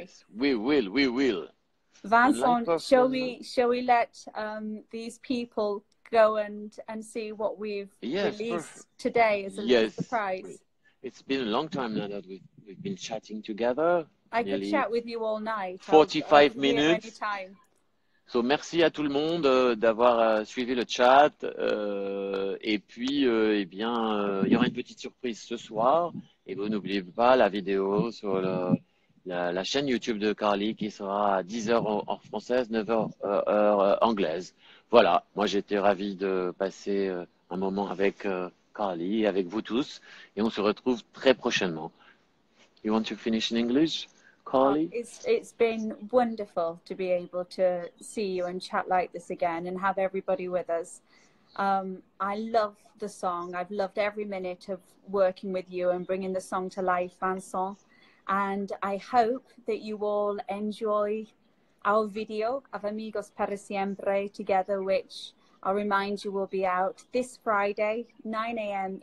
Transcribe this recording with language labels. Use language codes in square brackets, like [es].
[en] Yes. We will. Vincent, shall we let these people go and see what we've released today as a little surprise? It's been a long time now that we've been chatting together. I could chat with you all night. 45 minutes. [fr] So, merci à tout le monde d'avoir suivi le chat. Et puis, il y aura une petite surprise ce soir. Et vous n'oubliez pas la vidéo sur le, la chaîne YouTube de Carly qui sera à 10h en française, 9h heure anglaise. Voilà, moi j'étais ravi de passer un moment avec Carly, avec vous tous, et on se retrouve très prochainement. [en] You want to finish in English, Carly? It's been wonderful to be able to see you and chat like this again and have everybody with us. I love the song. I've loved every minute of working with you and bringing the song to life, Vincent. And I hope that you all enjoy our video of Amigos para Siempre together, which I'll remind you will be out this Friday, 9 a.m.